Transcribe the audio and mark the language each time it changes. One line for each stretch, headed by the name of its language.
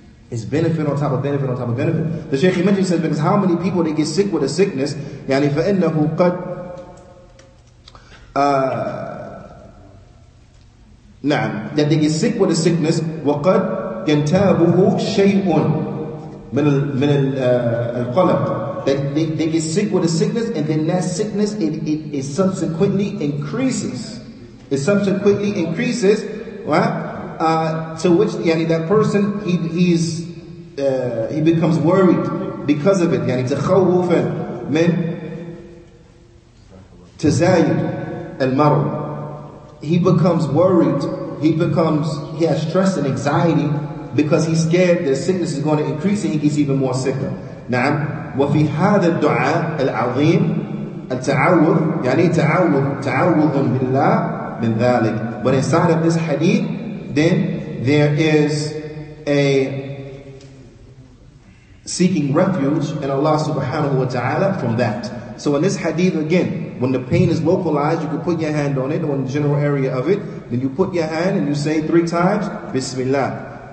English: It's benefit on top of benefit on top of benefit. The Shaykh he mentioned, he says, because how many people they get sick with a sickness,
Arabic: يعني فإنه قد نعم,
English: that they get sick with a sickness,
Arabic: وقد ينتابه شيء من القلق,
English: that they get sick with a sickness, and then that sickness it subsequently increases. It subsequently increases, right? To which yani that person he becomes worried because of it.
Arabic: Yani تخوفا من تزايد المرض.
English: He becomes worried. He has stress and anxiety, because he's scared that sickness is going to increase and he gets even more sicker.
Arabic: نعم وفي هذا الدعاء العظيم التعوذ يعني تعوذ تعوذ بالله من ذلك.
English: But inside of this hadith, then there is a seeking refuge in Allah subhanahu wa ta'ala from that. So in this hadith again, when the pain is localized, you can put your hand on it, or in the general area of it, then you put your hand and you say three times, Bismillah.